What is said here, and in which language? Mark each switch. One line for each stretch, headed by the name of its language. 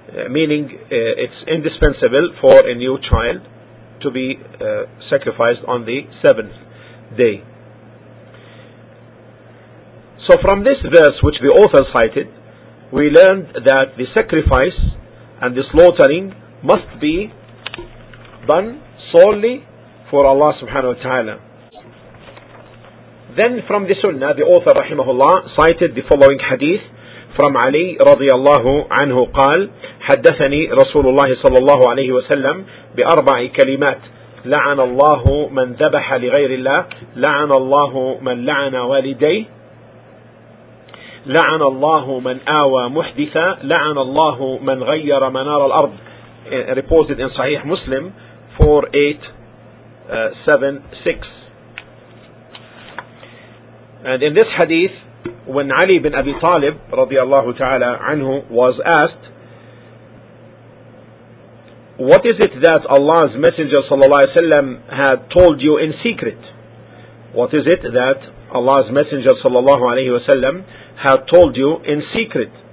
English: Meaning it's indispensable for a new child to be sacrificed on the seventh day. So from this verse which the author cited, we learned that the sacrifice and the slaughtering must be done solely for Allah subhanahu wa ta'ala. Then from the sunnah, the author rahimahullah cited the following hadith from Ali radiyallahu anhu qal,
Arabic: حدثني رسول الله صلى الله عليه وسلم بأربع كلمات لعن الله من ذبح لغير الله لعن الله من لعن والدي لعن الله من آوى محدثا لعن الله من غير منار الأرض
English: reported in
Arabic: صحيح مسلم 4876.
English: And in this hadith, when Ali bin Abi Talib رضي الله تعالى عنه was asked, what is it that Allah's Messenger ﷺ had told you in secret? What is it that Allah's Messenger ﷺ had told you in secret?